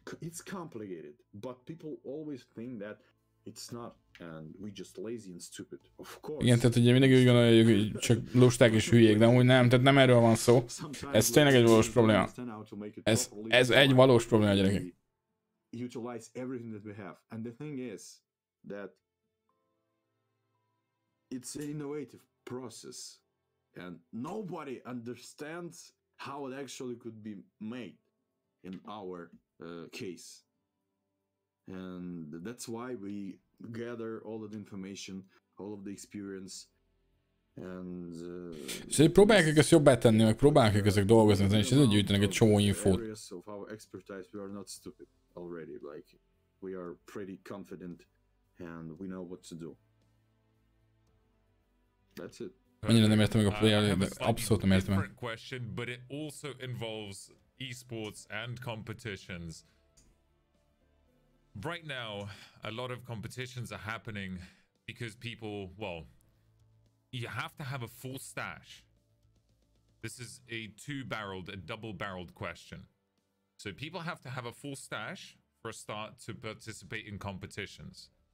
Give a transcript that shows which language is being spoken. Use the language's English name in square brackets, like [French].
[English] It's complicated, but people always think that it's not, and we just lazy and stupid. Of course. [Hungarian] Igen, tehát ugye mindig úgy gondolja, hogy csak lusták és hülyék, de amúgy nem, tehát nem erről van szó. Ez tényleg egy valós probléma. Ez egy valós probléma, gyerekek. [English] Utilize everything that we have, and the thing is that it's an innovative process, and nobody understands how it actually could be made in our case. And that's why we gather all of the information, all of the experience, and [Hungarian] próbálják ezt jobbá tenni, meg próbálják ezek dolgozni, és ezért gyűjtenek egy csomó infót. [English] Areas of our expertise, we are not stupid already, like, we are pretty confident, and we know what to do. That's it. [Hungarian] Annyira nem értem meg a playerét, de abszolút nem értem. [English] Question, but it also involves esports and competitions. Right now, a lot of competitions are happening because people, well, you have to have a full stash This is a two-barreled, a double-barreled question. So people have to have a full stash for a start to participate in competitions.